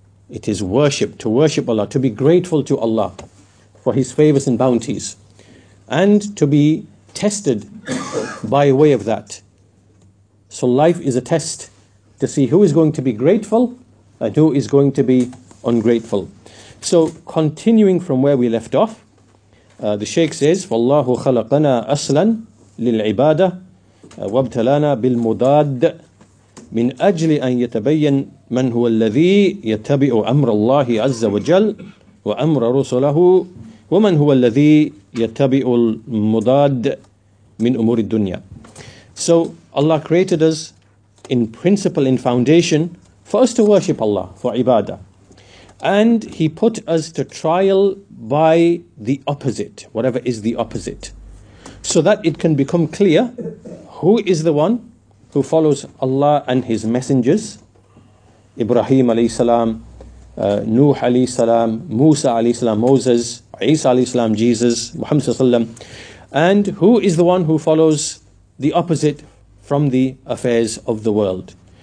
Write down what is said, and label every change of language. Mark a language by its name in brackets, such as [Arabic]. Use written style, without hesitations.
[English] It is worship, to worship Allah, to be grateful to Allah for His favors and bounties, and to be tested by way of that. So life is a test to see who is going to be grateful and who is going to be ungrateful. So continuing from where we left off, the Shaykh says, [Arabic] فَاللَّهُ خَلَقَنَا أَصْلًا لِلْعِبَادَةِ وَابْتَلَانَا بِالْمُدَادِ مِنْ أَجْلِ أَنْ يَتَبَيَّنْ مَنْ هُوَ الَّذِي يَتَبِعُ أَمْرَ اللَّهِ عَزَّ وَجَلَّ وَأَمْرَ رُسُلَهُ وَمَنْ هُوَ الَّذِي يَتَبِعُ الْمُدَادَ مِنْ أُمُورِ الدُّنْيَا. [English] So Allah created us in principle, in foundation, for us to worship Allah, for ibadah. And He put us to trial by the opposite, whatever is the opposite, so that it can become clear who is the one who follows Allah and His messengers, Ibrahim alayhi salam, Nuh alayhi salam, Musa alayhi salam, Moses, Isa alayhi salam, Jesus, Muhammad sallallahu alayhi wa sallam, and who is the one who follows the opposite from the affairs of the world.